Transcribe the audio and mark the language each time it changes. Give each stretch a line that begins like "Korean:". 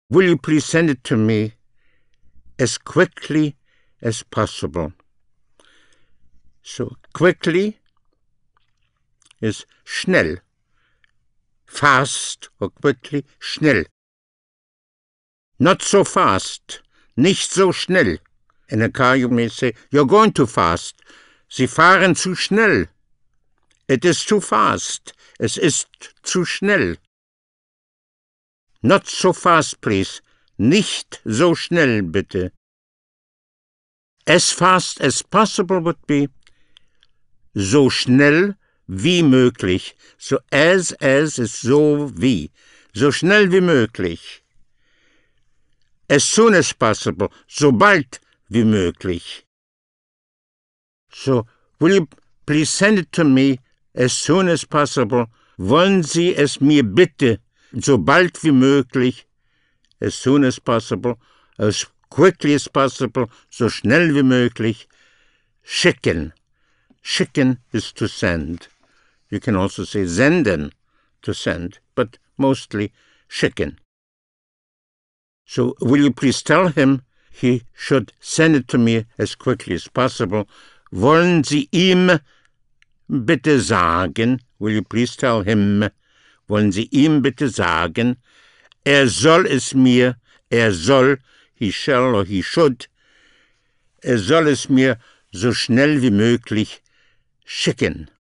English: Will you please send it to me as quickly as possible? So quickly is schnell, fast or quickly, schnell. Not so fast,
German: nicht so schnell.
English: In a car you may say, you're going too fast.
German: Sie fahren zu schnell.
English: It is too fast.
German: Es ist zu schnell.
English: Not so fast, please.
German: Nicht so schnell, bitte.
English: As fast as possible would be
German: so schnell wie möglich.
English: So as is
German: so wie. So schnell wie möglich.
English: As soon as possible.
German: So bald wie möglich.
English: So, will you please send it to me as soon as possible?
German: Wollen Sie es mir bitte so bald wie möglich?
English: As soon as possible, as quickly as possible,
German: so schnell wie möglich, schicken.
English: Schicken is to send. You can also say senden, to send, but mostly schicken. So will you please tell him he should send it to me as quickly as possible?
German: Wollen Sie ihm bitte sagen,
English: will you please tell him,
German: wollen Sie ihm bitte sagen, soll es mir, soll,
English: he shall or he should,
German: soll es mir so schnell wie möglich schicken.